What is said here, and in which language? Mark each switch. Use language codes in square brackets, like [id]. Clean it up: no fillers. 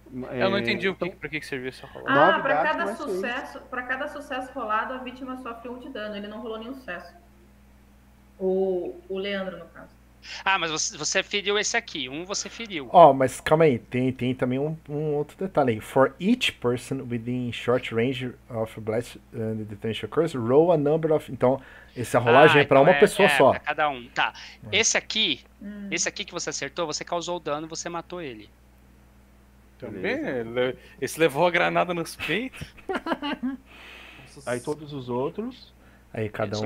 [pt] Eu não entendi pra que serviu essa rolada. Ah, pra cada sucesso rolado, a vítima sofre 1 de dano. Ele não rolou nenhum sucesso. O Leandro, no caso. Ah, mas você feriu esse aqui. Um você feriu. Ó, oh, mas calma aí. Tem também um outro detalhe aí. [en] For each person within short range of blast and detention curse, roll a number of... [pt] Então, essa rolagem é pra uma pessoa só. Pra cada um. Tá. Esse aqui... Esse aqui que você acertou, você causou o dano e você matou ele. Também? Esse levou a granada nos peitos? Aí todos os outros. Aí cada um.